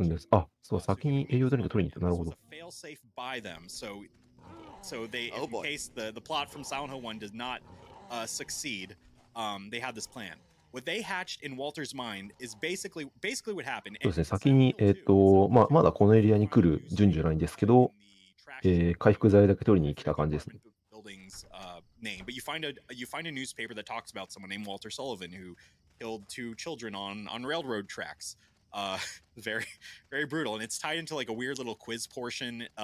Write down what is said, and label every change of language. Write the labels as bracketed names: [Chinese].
[Japanese] あ、そう、先に栄養ドリンク取りに行った。なるほど。 [English] So they, in case the plot from Silent Hill 1 does not succeed, they had this plan. What they hatched in Walter's mind is basically what happened. [Japanese] そうですね。先に、まだこのエリアに来る順序ないんですけど、回復剤だけ取りに来た感じですね。 [English] But you find a newspaper that talks about someone named Walter Sullivan who killed two children on railroad tracks. Very, very brutal. And it's tied into like a weird little quiz portion.